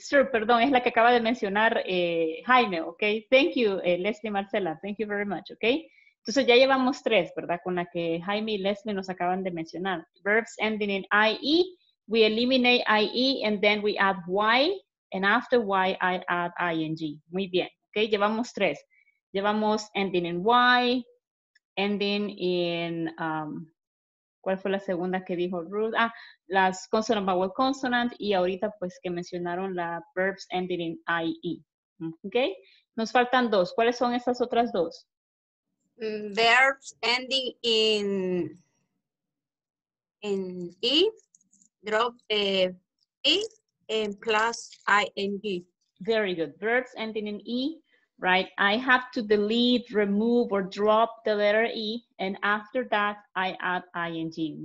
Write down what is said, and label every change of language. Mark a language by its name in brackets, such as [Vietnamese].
[Spanish] Perdón, es la que acaba de mencionar Jaime, ok. [English] Thank you, Leslie Marcela. Thank you very much, ok. [Spanish] Entonces ya llevamos tres, ¿verdad? Con la que Jaime y Leslie nos acaban de mencionar. [English] Verbs ending in IE, we eliminate IE and then we add Y, and after Y, I add ING. [Spanish] Muy bien, ok. Llevamos tres. Llevamos [English] ending in Y, ending in. [Spanish] ¿Cuál fue la segunda que dijo Ruth? Ah, las consonant vowel consonant y ahorita pues que mencionaron las [English] verbs ending in IE. [Spanish] ¿Ok? Nos faltan dos. ¿Cuáles son esas otras dos? [English] Verbs ending in E, drop the E and plus ING. Very good. Verbs ending in E. Right, I have to delete, remove, or drop the letter E, and after that, I add ING.